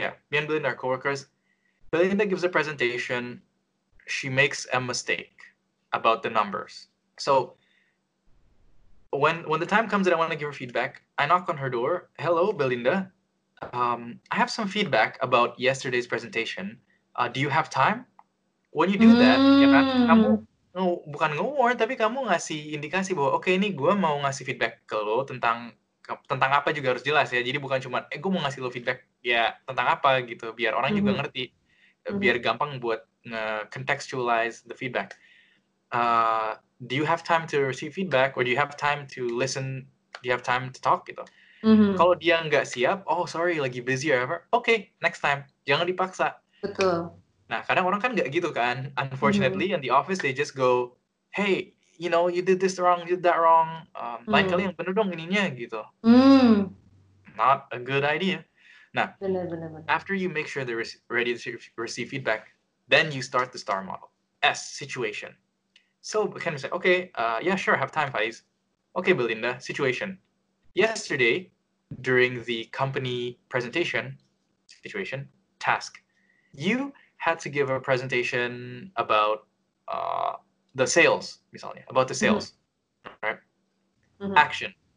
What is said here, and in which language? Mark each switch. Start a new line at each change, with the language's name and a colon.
English: Belinda gives a presentation. She makes a mistake about the numbers. So when the time comes that I want to give her feedback, I knock on her door. Hello, Belinda. I have some feedback about yesterday's presentation. Do you have time? When you do that,
Indonesian: ya kan, kamu bukan nge-warn, tapi kamu ngasih indikasi bahwa, okay, ini gue mau ngasih feedback ke lo tentang apa juga harus jelas ya. Jadi bukan cuma, gue mau ngasih lo feedback ya tentang apa gitu, biar orang juga ngerti, biar gampang buat nge-contextualize the feedback.
English: Do you have time to receive feedback, or do you have time to listen, do you have time to talk gitu.
Indonesian: Kalau dia nggak siap,
English: oh sorry,
Indonesian: lagi busy or whatever, okay, next time, jangan dipaksa. Betul. Nah, kadang orang kan nggak gitu kan.
English: Unfortunately, in the office, they just go, hey, you know, you did this wrong, you did that wrong.
Indonesian: Lain kali yang bener dong ininya, gitu.
English: Not a good idea. Nah,
Indonesian: bener.
English: After you make sure they're ready to receive feedback, then you start the star model. S, situation. So, can we say, okay, yeah, sure, have time, Faiz. Okay, Belinda, situation. Yesterday, during the company presentation, situation, task, you had to give a presentation about the sales, misalnya, about the sales, right? Action.